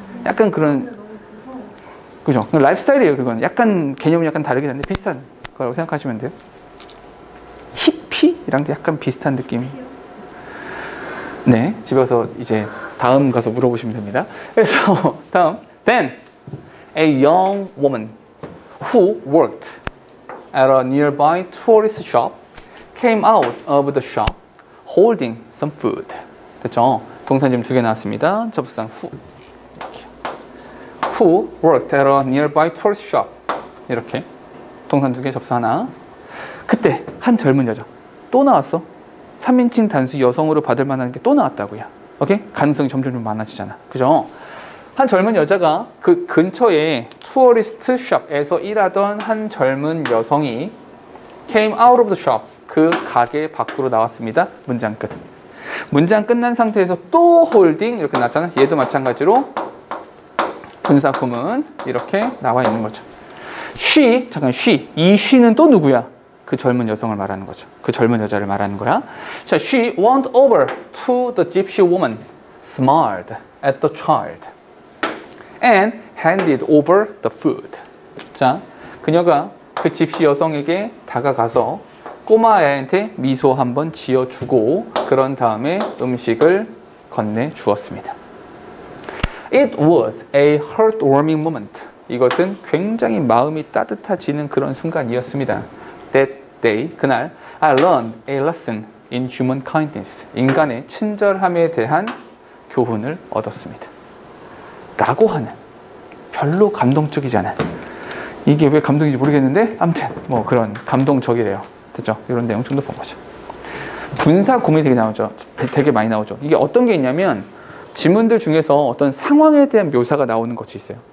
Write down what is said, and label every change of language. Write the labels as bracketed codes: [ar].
[ko] 약간 그런, 그죠? 라이프스타일이에요, 그건. 약간 개념이 약간 다르긴 한데 비슷한 거라고 생각하시면 돼요. 히피랑도 약간 비슷한 느낌이. 네, 집에 가서 이제 다음 가서 물어보시면 됩니다. 그래서 다음. [en] Then a young woman who worked at a nearby tourist shop came out of the shop holding some food. [ko] 됐죠? 동사는 지금 두 개 나왔습니다. 접속사는 who. [en] Who worked at a nearby tourist shop. [ko] 이렇게 동사는 두 개, 접속사 하나. 그때 한 젊은 여자 또 나왔어. 3인칭 단수 여성으로 받을 만한 게 또 나왔다고요. 오케이? 가능성이 점점 좀 많아지잖아. 그죠? 한 젊은 여자가 그 근처에 투어리스트 샵에서 일하던 한 젊은 여성이 [en] came out of the shop. [ko] 그 가게 밖으로 나왔습니다. 문장 끝. 문장 끝난 상태에서 또 holding 이렇게 나왔잖아. 얘도 마찬가지로 분사구문 이렇게 나와 있는 거죠. She, 잠깐 she. 이 she는 또 누구야? 그 젊은 여성을 말하는 거죠. 그 젊은 여자를 말하는 거야. 자, [en] she went over to the gypsy woman, smiled at the child, and handed over the food. [ko] 자, 그녀가 그 집시 여성에게 다가가서 꼬마애한테 미소 한번 지어주고 그런 다음에 음식을 건네주었습니다. [en] It was a heartwarming moment. [ko] 이것은 굉장히 마음이 따뜻해지는 그런 순간이었습니다. [en] That day, [ko] 그날, [en] I learned a lesson in human kindness. [ko] 인간의 친절함에 대한 교훈을 얻었습니다. 라고 하는, 별로 감동적이지 않은, 이게 왜 감동인지 모르겠는데 아무튼 뭐 그런 감동적이래요. 됐죠? 이런 내용 좀 더 본 거죠. 분사 구문이 되게 나오죠. 되게 많이 나오죠. 이게 어떤 게 있냐면 지문들 중에서 어떤 상황에 대한 묘사가 나오는 것이 있어요.